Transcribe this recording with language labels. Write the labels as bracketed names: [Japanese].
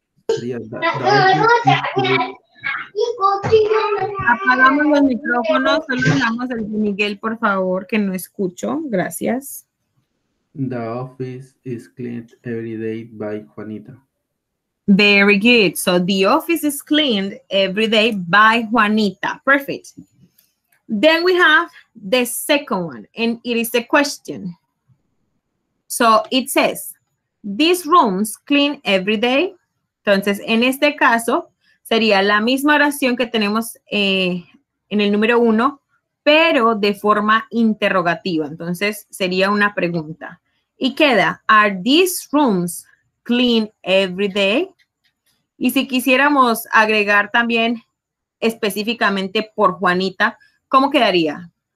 [Spanish] Apagamos los micrófonos, solo hablamos el de Miguel, por favor, que no escucho. Gracias. [English] The office is cleaned every day by Juanita. Very good. So the office is cleaned every day by Juanita. Perfect. Then we have the second one, and it is a question. So it says, these rooms clean every day. [Spanish] Entonces, en este caso, sería la misma oración que tenemos en el número uno, pero de forma interrogativa. Entonces, sería una pregunta. Y queda, [English] are these rooms clean every day? [Spanish] Y si quisiéramos agregar también específicamente por Juanita, ¿cómo quedaría?